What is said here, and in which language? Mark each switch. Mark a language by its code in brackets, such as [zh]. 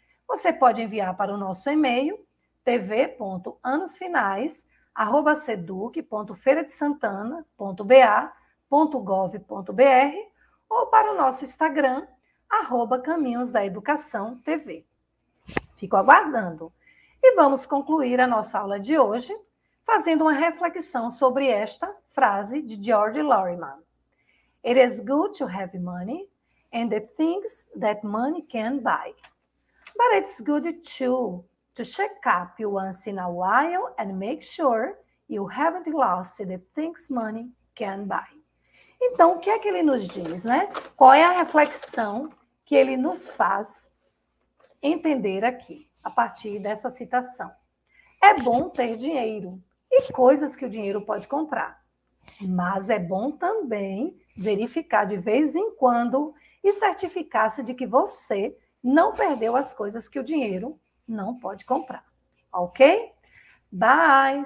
[pt] Você pode enviar para o nosso e-mail tv.anosfinais@seduc.feiradesantana.ba.gov.br ou para o nosso Instagram @caminhosdaeducaçãotv. Fico aguardando. E vamos concluir a nossa aula de hoje fazendo uma reflexão sobre esta frase de George Lorimer. [en] It is good to have money and the things that money can buy. But it's good to check up once in a while and make sure you haven't lost the things money can buy. [pt] Então, o que é que ele nos diz, né? Qual é a reflexão que ele nos faz entender aqui, a partir dessa citação? É bom ter dinheiro e coisas que o dinheiro pode comprar. Mas é bom também verificar de vez em quando e certificar-se de que você não perdeu as coisas que o dinheiro não pode comprar. Ok? Bye.